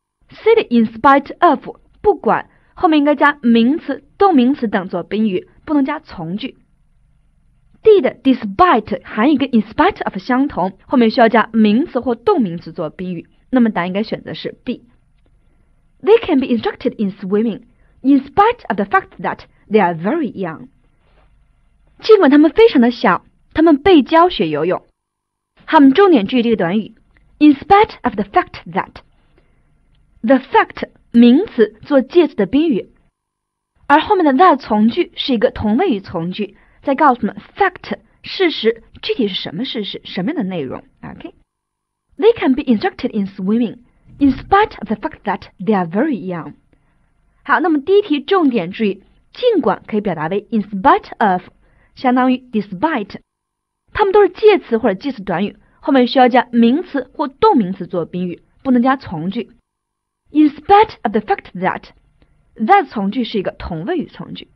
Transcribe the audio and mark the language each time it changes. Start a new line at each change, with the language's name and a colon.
Chinese: C 的 in spite of 不管后面应该加名词、动名词等做宾语，不能加从句。 D 的 despite 含义跟 in spite of 相同，后面需要加名词或动名词做宾语。那么答案应该选择是 B。
English: They can be instructed in swimming in spite of the fact that。 They are very young.
Chinese: 尽管他们非常的小，他们被教学游泳。好，我们重点注意这个短语 ，
English: in spite of the fact that.
Chinese: The fact 名词做介词的宾语，而后面的 that 从句是一个同位语从句，在告诉我们 fact 事实具体是什么事实，什么样的内容。
English: OK, they can be instructed in swimming in spite of the fact that they are very young.
Chinese: 好，那么第一题重点注意。尽管可以表达为 in spite of， 相当于 despite， 它们都是介词或者介词短语，后面需要加名词或动名词做宾语，不能加从句。
English: In spite of the fact that， that
Chinese: 从句是一个同位语从句。